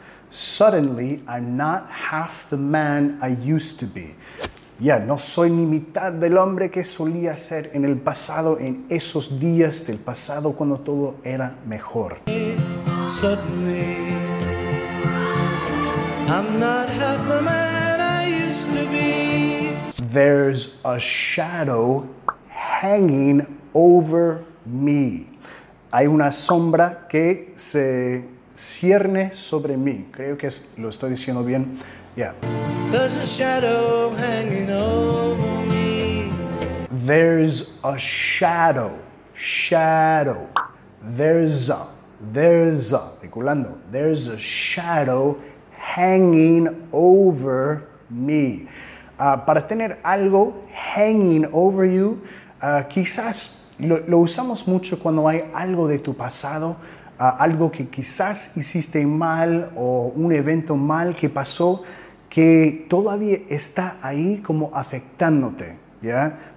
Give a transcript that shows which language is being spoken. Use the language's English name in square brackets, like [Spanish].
[English] Suddenly, I'm not half the man I used to be. [Spanish] Yeah, no soy ni mitad del hombre que solía ser en el pasado, en esos días del pasado cuando todo era mejor. [English] Suddenly, I'm not half the man I used to be. There's a shadow hanging over me. [Spanish] Hay una sombra que se cierne sobre mí. Creo que lo estoy diciendo bien. [English] Yeah. There's a shadow hanging over me. There's a shadow. Shadow. There's a. There's a. Peculando. There's a shadow hanging over me. [Spanish] Para tener algo [English] hanging over you, [Spanish] quizás lo usamos mucho cuando hay algo de tu pasado, algo que quizás hiciste mal o un evento mal que pasó que todavía está ahí como afectándote, ¿ya?